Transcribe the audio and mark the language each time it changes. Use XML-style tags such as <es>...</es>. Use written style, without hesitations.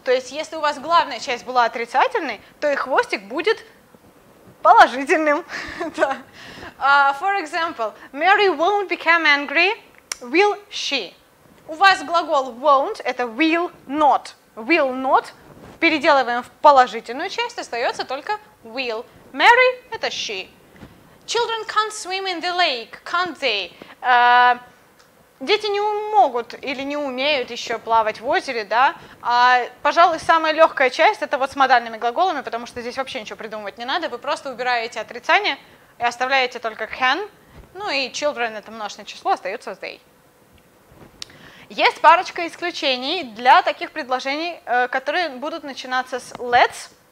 <ru>То есть, если у вас главная часть была отрицательной, то и хвостик будет положительным.</ru> <en>For example, Mary won't become angry, will she?</en> <ru>У вас глагол won't – это will not. Will not переделываем в положительную часть, остается только will. Mary – это she.</ru> <en>Children can't swim in the lake, can't they?</en> <ru>Дети не могут или не умеют еще плавать в озере, да? Пожалуй, самая легкая часть – это вот с модальными глаголами, потому что здесь вообще ничего придумывать не надо. Вы просто убираете отрицание и оставляете только can. Ну и children – это множественное число, остается they. Есть парочка исключений для таких предложений, которые будут начинаться с let's.</ru>